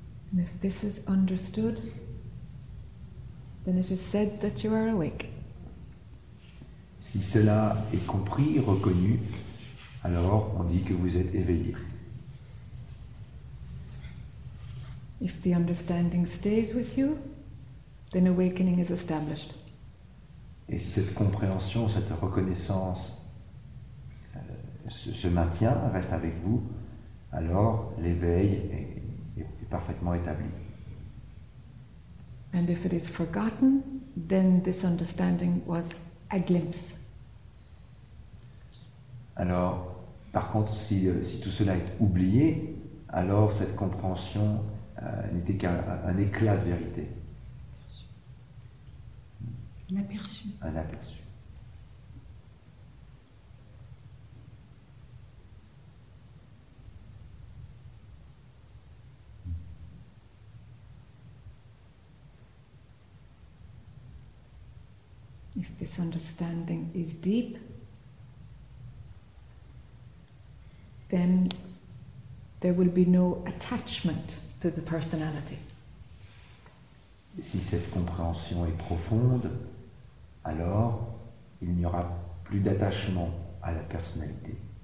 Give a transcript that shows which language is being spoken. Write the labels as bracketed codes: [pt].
[en] And if this is understood, then it is said that you are awake. [fr] Si cela est compris, reconnu, alors on dit que vous êtes éveillé. [en] If the understanding stays with you, then awakening is established. [fr] Et si cette compréhension, cette reconnaissance se maintient, reste avec vous, alors l'éveil est parfaitement établi. [en] And if it is forgotten, then this understanding was a glimpse. [fr] Alors, par contre, si tout cela est oublié, alors cette compréhension n'était qu'un éclat de vérité. Un aperçu. Un aperçu. [en] If this understanding is deep, then there will be no attachment to the personality. [fr] Si cette compréhension est profonde, alors il n'y aura plus d'attachement à la personnalité.